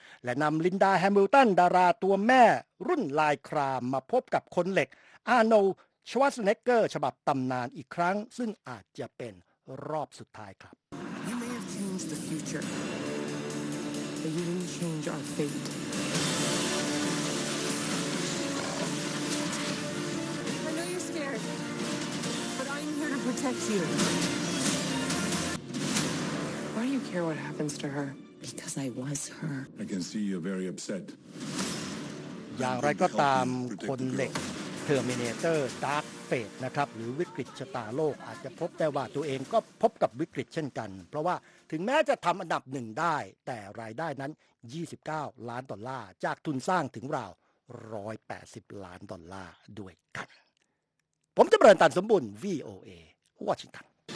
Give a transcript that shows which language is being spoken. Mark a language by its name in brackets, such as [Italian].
[Thai] และนำลินดาแฮมิลตันดาราตัวแม่รุ่นลายครามมาพบกับคนเหล็กอาร์โนลด์ชวาร์สเนเกอร์ฉบับตำนานอีกครั้งซึ่งอาจจะเป็นรอบสุดท้ายครับ [English] You may have changed the future but you didn't change our fateProtect you. Why do you care what happens to her? Because I was her. I can see you're very upset. [Thai] อย่างไรก็ตามคนเหล็ก Terminator Dark Fate นะครับหรือวิกฤตชะตาโลกอาจจะพบได้ว่าตัวเองก็พบกับวิกฤตเช่นกันเพราะว่าถึงแม้จะทำอันดับหนึ่งได้แต่รายได้นั้น29ล้านดอลลาร์จากทุนสร้างถึงราว180ล้านดอลลาร์ด้วยกันผมจะเปิดตันสมบูรณ์ VOA Washington